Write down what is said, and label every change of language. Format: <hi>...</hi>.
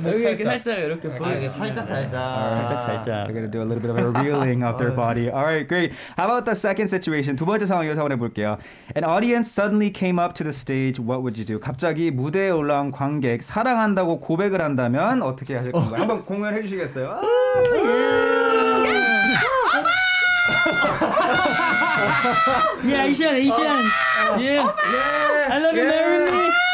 <ko>여기 이렇게 살짝 이렇게 보이게 살짝</ko> <en>They're gonna do a little bit of a revealing of their body. Alright, great. How about the second situation?</en> <ko>두 번째 상황 이어서 해볼게요.</ko> <en>An audience suddenly came up to the stage. What would you do?</en> <ko>갑자기 무대에 올라온 관객 사랑한다고 고백을 한다면 어떻게 하실 건가요? 한번 공연해 주시겠어요? 오빠!</ko> <en>예, 이시안, 이시안. 예, I love you, marry me.</en>